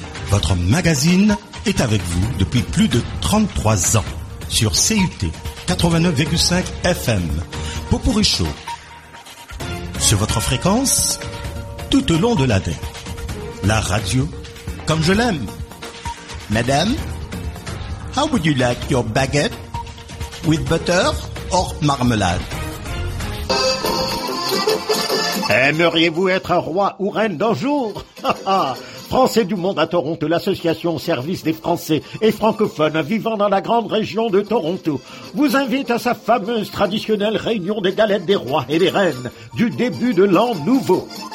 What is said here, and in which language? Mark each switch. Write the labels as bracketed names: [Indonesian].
[French] Votre magazine est avec vous depuis plus de 33 ans. Sur CUT 89,5 FM, Popouri Show, sur votre fréquence, tout au long de l'année, la radio, comme je l'aime. [English] Madame, how would you like your baguette, with butter or marmalade? [French] Aimeriez-vous être un roi ou reine d'un jour? français du monde à Toronto, l'association au service des Français et francophones vivant dans la grande région de Toronto, vous invite à sa fameuse traditionnelle réunion des galettes des rois et des reines du début de l'an nouveau.